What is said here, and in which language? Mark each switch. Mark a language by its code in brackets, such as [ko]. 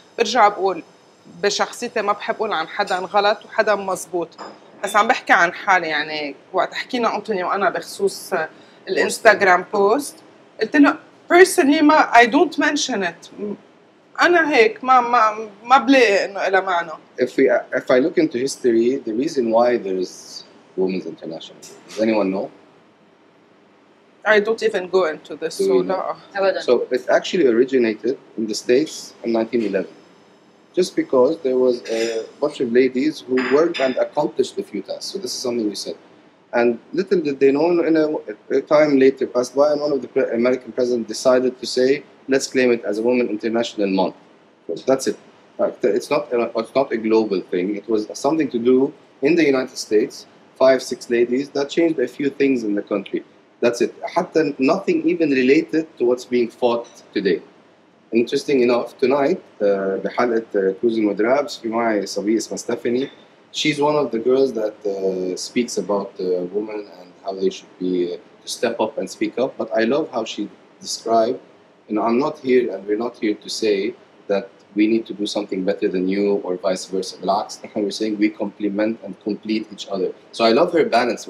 [ar] برجع بقول بشخصيتي ما بحب أقول عن حدا غلط وحدا مزبوط، بس عم بحكي عن حالي. يعني وقت حكينا أنتوني وأنا بخصوص الإنستغرام بوست، قلت له [en] personally [ar] ما [en] I don't mention it، [ar] انا هيك ما بلاقي انه الا معنى. [en] If I look into history, the reason why there is Women's International, does anyone know? I don't even go into this. So it actually originated in the States in 1911, just because there was a bunch of ladies who worked and accomplished a few tasks. So this is something we said, and little did they know, in a time later passed by, and one of the American presidents decided to say, let's claim it as a Women International Month. That's it. It's not a global thing. It was something to do in the United States. 5-6 ladies that changed a few things in the country. That's it. Hatta nothing even related to what's being fought today. Interesting enough, tonight, [ar] بحلقة Cruising with Rabs, في معي صبية اسمها ستيفاني. [en] She's one of the girls that speaks about women and how they should be to step up and speak up. But I love how she described, you know, I'm not here and we're not here to say that we need to do something better than you or vice versa. Relax. We're saying we complement and complete each other. So I love her balance.